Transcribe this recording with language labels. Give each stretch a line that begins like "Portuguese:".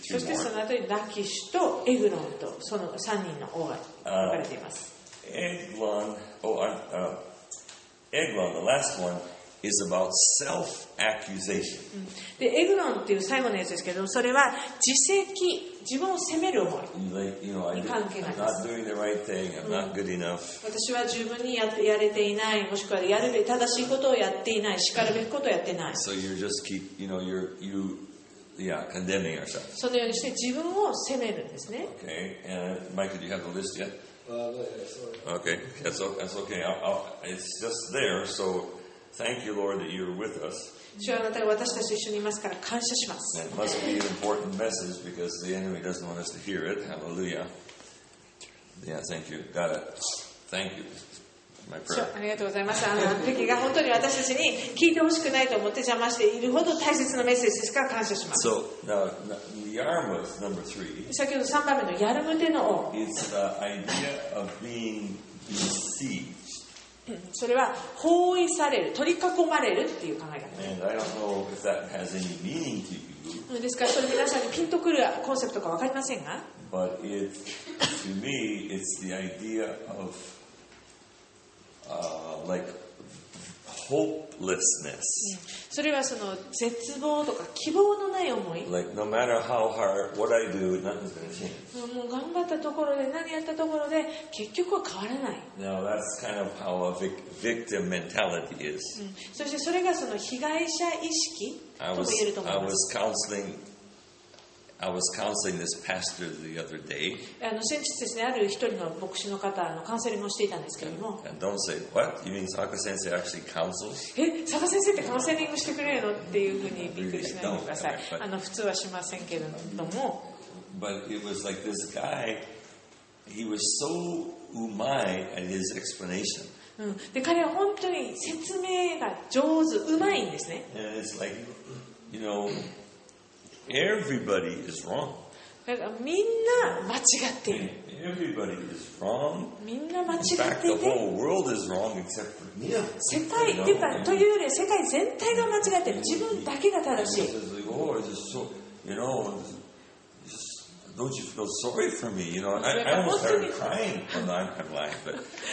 Japanese: そしてその後にラキシュとエグロンとその3人の王が分かれています。
English: Eglon, the last one, is about self-accusation.
Japanese: で、エグロンっていう最後のやつですけど、それは自責、自分を責める思いに関係があります。
English: I'm not doing the right thing. I'm not good enough.
Japanese: 私は十分にやれていない、もしくはやるべき正しいことをやっていない、しかるべきことをやっていない。
English: So you just keep, you know, you're condemning yourself.
Japanese: そのようにして自分を責めるんですね。
English: Okay. And Mike, do you have the list yet? Okay. That's okay. It's just there. So thank you, Lord, that you're with us.
Japanese: 主はあなたが私たちと一緒にいますから感謝します。
English: It must be an important message because the enemy doesn't want us to hear it. Hallelujah. Yeah, thank you. Got it. Thank you. My prayer.
Japanese: ありがとうございます。敵が本当に私たちに聞いてほしくないと思って邪魔しているほど大切なメッセージですから感謝します。
English: So, now, Yarmuth, number three.
Japanese: 先ほど3番目のヤルムテの王。
English: It's the idea of being deceived.
Japanese: それは包囲される、取り囲まれるっていう考え方です。
English: And I don't know if that has any meaning to you.
Japanese: ですから、それ皆さんにピンとくるコンセプトか分かりませんが。
English: But it, to me, it's the idea of, like, hopelessness.
Japanese: それはその絶望とか希望のない思い。
English: Like, no matter how hard, what I do, nothing's gonna change.
Japanese: もう頑張ったところで何やったところで結局は変わらない。
English: Now that's kind of how a victim mentality is.
Japanese: そしてそれがその被害者意識とも言えると思います。
English: I was counseling this pastor the other day.
Japanese: 先日ですね、ある一人の牧師の方のカウンセリングをしていたんですけれども。
English: And don't say what? You mean Saka 先生 actually counsels?
Japanese: 坂先生ってカウンセリングしてくれるのっていうふうにびっくりしないでください。普通はしませんけれども。
English: But it was like this guy, he was so umai at his explanation.
Japanese: で、彼は本当に説明が上手、うまいんですね。
English: And it's like, you know, everybody is wrong.
Japanese: だからみんな間違っている。
English: And everybody is wrong.
Japanese: みんな間違ってい
English: て。In fact, the whole world is wrong except for me.
Japanese: 世界、っていうか、というより世界全体が間違っている。自分だけが正しい。
English: It's like, oh, it's just so, you know,Don't you feel sorry for me? You know, I almost started crying. Well, no, I'm lying, but.